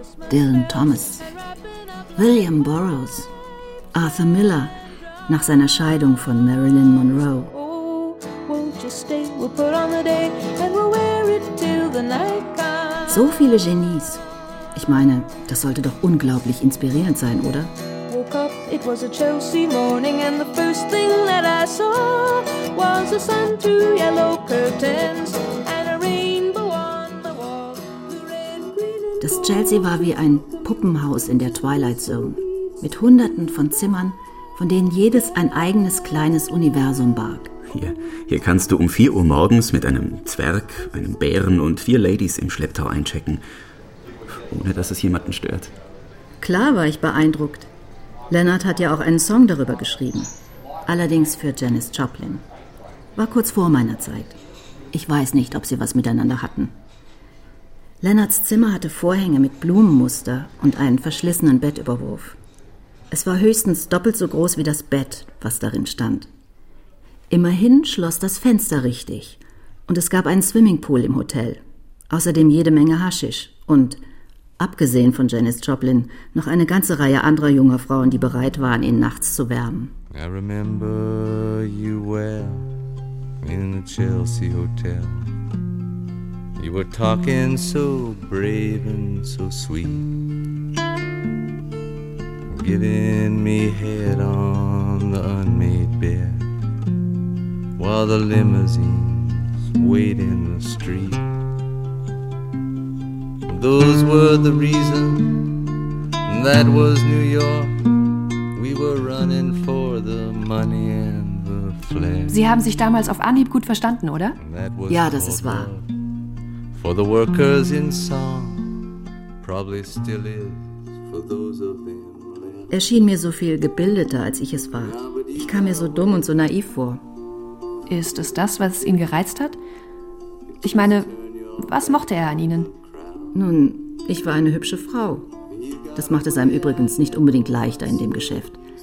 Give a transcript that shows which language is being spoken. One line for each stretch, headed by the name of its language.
German: Dylan Thomas, William Burroughs, Arthur Miller nach seiner Scheidung von Marilyn Monroe. So viele Genies. Ich meine, das sollte doch unglaublich inspirierend sein, oder?
English: It was a Chelsea morning and the first thing that I saw was the sun, two yellow curtains and a rainbow on the wall.
German: Das Chelsea war wie ein Puppenhaus in der Twilight Zone mit hunderten von Zimmern, von denen jedes ein eigenes kleines Universum barg. Hier kannst du um 4 Uhr morgens mit einem Zwerg, einem Bären und 4 Ladies im Schlepptau einchecken, ohne dass es jemanden stört. Klar war ich beeindruckt. Leonard hat ja auch einen Song darüber geschrieben. Allerdings für Janis Joplin. War kurz vor meiner Zeit. Ich weiß nicht, ob sie was miteinander hatten. Leonards Zimmer hatte Vorhänge mit Blumenmuster und einen verschlissenen Bettüberwurf. Es war höchstens doppelt so groß wie das Bett, was darin stand. Immerhin schloss das Fenster richtig. Und es gab einen Swimmingpool im Hotel. Außerdem jede Menge Haschisch und, abgesehen von Janis Joplin, noch eine ganze Reihe anderer junger Frauen, die bereit waren, ihn nachts zu wärmen.
English: I remember you well in the Chelsea Hotel. You were talking so brave and so sweet. Giving me head on the unmade bed. While the limousines wait in the street. Those were the reasons, that was New York. We were running for the money and the flag.
German: Sie haben sich damals auf Anhieb gut verstanden, oder? Ja, das ist wahr.
English: For the workers in song, probably still is for those of them.
German: Er schien mir so viel gebildeter, als ich es war. Ich kam mir so dumm und so naiv vor. Ist es das, was ihn gereizt hat? Ich meine, was mochte er an ihnen? Nun, ich war eine hübsche Frau. Das machte es einem übrigens nicht unbedingt leichter in dem Geschäft.